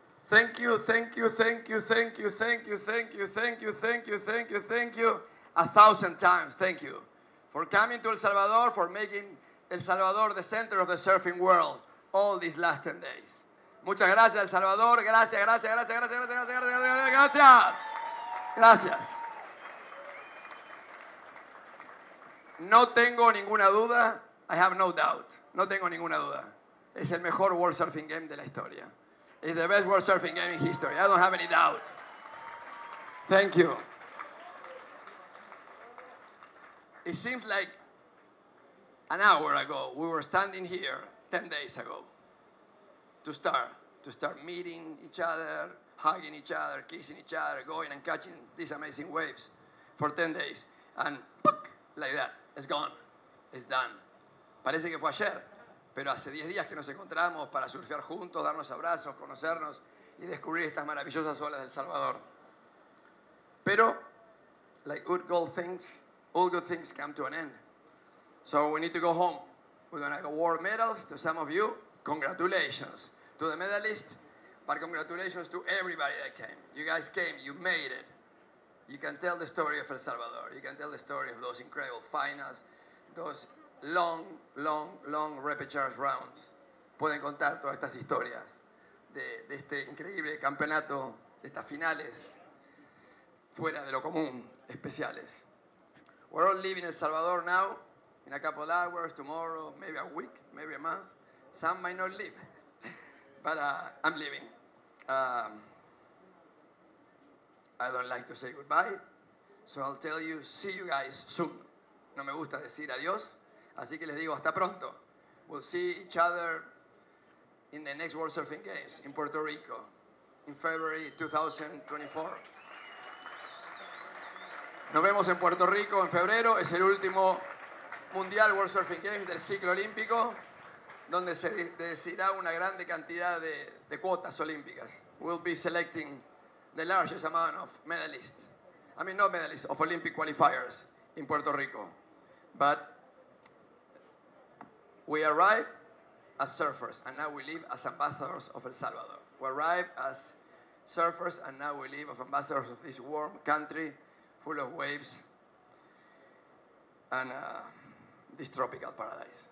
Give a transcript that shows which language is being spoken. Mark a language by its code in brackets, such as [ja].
[en] Thank you, thank you, thank you, thank you, thank you, thank you, thank you, thank you, thank you, thank you, 1,000 times, thank you, for coming to El Salvador, for making El Salvador the center of the surfing world all these last 10 days. [es] Muchas gracias, El Salvador. Gracias, gracias, gracias, gracias, gracias, gracias, gracias, gracias, gracias, gracias, gracias. No tengo ninguna duda, [en] I have no doubt, [es] no tengo ninguna duda. Es el mejor World Surfing Game de la historia. [en] It's the best World Surfing Game in history. I don't have any doubt. Thank you. It seems like an hour ago, we were standing here 10 days ago to start meeting each other, hugging each other, kissing each other, going and catching these amazing waves for 10 days. And puk, like that, it's gone. It's done. [es] Parece que fue ayer. Pero hace 10 días que nos encontramos para surfear juntos, darnos abrazos, conocernos y descubrir estas maravillosas olas del Salvador. [en] Pero, like all good things come to an end. So we need to go home. We're going to get award medals to some of you. Congratulations to the medalists, but congratulations to everybody that came. You guys came, you made it. You can tell the story of El Salvador. You can tell the story of those incredible finals, those long, long, long repechage rounds. [es] Pueden contar todas estas historias de este increíble campeonato, de estas finales fuera de lo común, especiales. [en] We're all living in El Salvador now, in a couple of hours, tomorrow, maybe a week, maybe a month. Some might not live, but I'm living. I don't like to say goodbye, so I'll tell you, see you guys soon. [es] No me gusta decir adiós. Así que les digo, hasta pronto. [en] We'll see each other in the next World Surfing Games in Puerto Rico in February 2024. [es] Nos vemos en Puerto Rico en febrero. Es el último Mundial World Surfing Games del ciclo olímpico, donde se decidirá una grande cantidad de cuotas olímpicas. [en] We'll be selecting the largest amount of medalists. I mean, not medalists, of Olympic qualifiers in Puerto Rico. But we arrive as surfers, and now we live as ambassadors of El Salvador. We arrive as surfers, and now we live as ambassadors of this warm country full of waves and this tropical paradise.